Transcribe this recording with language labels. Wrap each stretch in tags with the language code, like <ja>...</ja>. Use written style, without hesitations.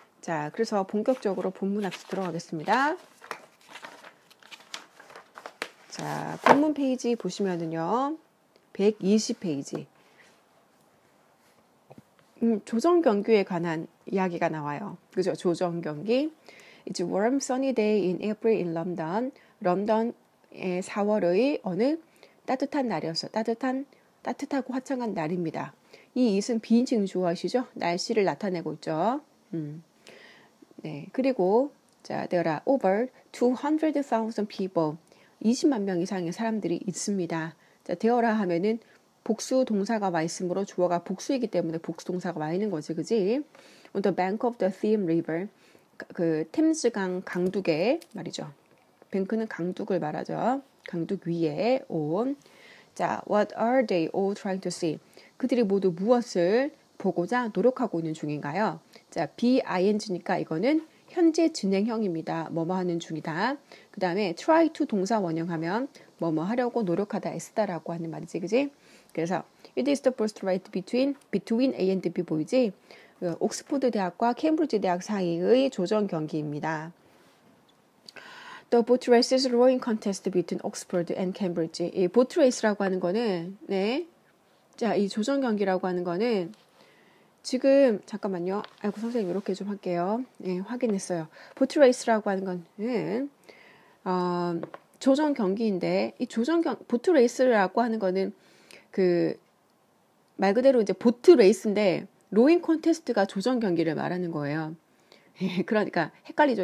<ko>자, 그래서 본격적으로 본문 학습 들어가겠습니다. 자, 본문 페이지 보시면은요, 120페이지. 조정 경기에 관한 이야기가 나와요. 그죠? 조정 경기.</ko> <en>It's a warm sunny day in April in London.</en> <ko>런던의 4월의 어느 따뜻한 날이었어. 따뜻하고 화창한 날입니다. 이 is은 비인칭 주어시죠? 날씨를 나타내고 있죠. 네.</ko> <en>그리고 자, there are over 200,000 people.</en> <ko>20만 명 이상의 사람들이 있습니다. 자, there are 하면은 복수 동사가 와 있으므로 주어가 복수이기 때문에 복수 동사가 와 있는 거지, 그지?</ko> <en>On the bank of the Thames River,</en> <ko>그 템스강 강둑에 말이죠. 뱅크는 강둑을 말하죠. 강둑 위에 온.</ko> <en>자, what are they all trying to see?</en> <ko>그들이 모두 무엇을 보고자 노력하고 있는 중인가요? 자, be ing니까 이거는 현재 진행형입니다. 뭐뭐 하는 중이다. 그 다음에 try to 동사 원형하면 뭐뭐 하려고 노력하다 애쓰다라고 하는 말이지, 그지?</ko> <en>그래서 it is the first right between A and B 보이지?</en> <ko>옥스포드 대학과 케임브리지 대학 사이의 조정 경기입니다.</ko> <en>The boat races rowing contest between Oxford and Cambridge.</en> <ko>이 boat race라고 하는 거는 네. 자, 이 조정 경기라고 하는 거는 지금 잠깐만요. 아이고 선생님 이렇게 좀 할게요. 네, 확인했어요. boat race라고 하는 거는 조정 경기인데 이 조정 경 boat race라고 하는 거는 그말 그대로 이제 보트 레이스인데 로잉 콘테스트가 조정 경기를 말하는 거예요. 그러니까 헷갈리죠.</ko>